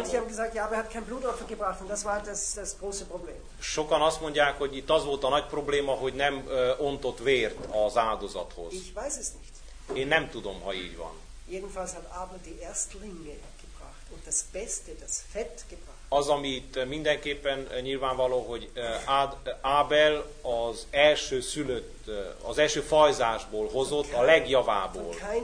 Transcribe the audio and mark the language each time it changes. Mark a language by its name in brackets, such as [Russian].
[German] Manche haben gesagt, ja, aber er hat kein Blutopfer gebracht, und das war das große Problem. [Hungarian] Sokan azt mondják, hogy itt az volt a nagy probléma, hogy nem ontott vért az áldozathoz. [German] Ich weiß es nicht. [Hungarian] Én nem tudom, ha így van. [German] Jedenfalls hat Abel die Erstlinge gebracht und das Beste, das Fett gebracht. [Hungarian] Az, amit mindenképpen nyilvánvaló, hogy Ábel az első szülött, az első fajzásból hozott, a legjavából.